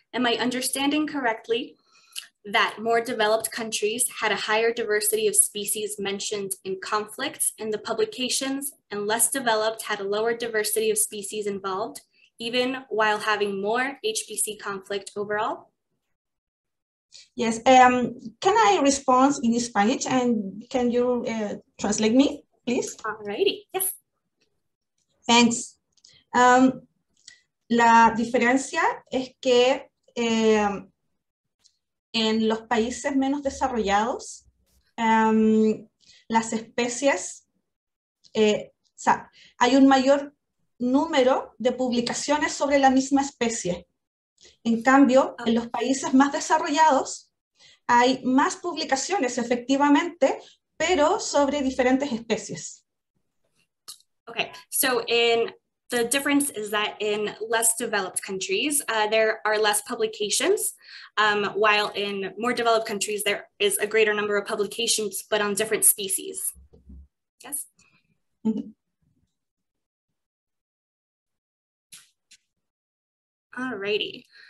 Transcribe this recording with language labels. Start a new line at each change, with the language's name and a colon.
English: Am I understanding correctly that more developed countries had a higher diversity of species mentioned in conflicts in the publications and less developed had a lower diversity of species involved, even while having more HPC conflict overall? Yes, can I respond in Spanish and can you translate me, please? Alrighty, yes. Thanks.
Spanish: La diferencia es que en los países menos desarrollados, las especies, o sea, hay un mayor número de publicaciones sobre la misma especie. En cambio, en los países más desarrollados hay más publicaciones, efectivamente, pero sobre diferentes especies.
English: Okay, so the difference is that in less developed countries, there are less publications, while in more developed countries, there is a greater number of publications, but on different species. Yes? Mm-hmm. All righty.